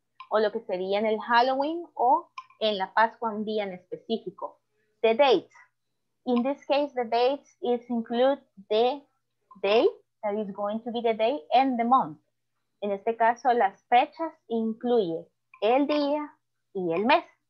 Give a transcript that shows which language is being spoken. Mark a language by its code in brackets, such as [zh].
[es] O lo que sería en el Halloween o en la Pascua, un día en específico. [en] The date. In this case, the dates is include the day, that is going to be the day and the month. [es] En este caso, las fechas incluye el día y el mes.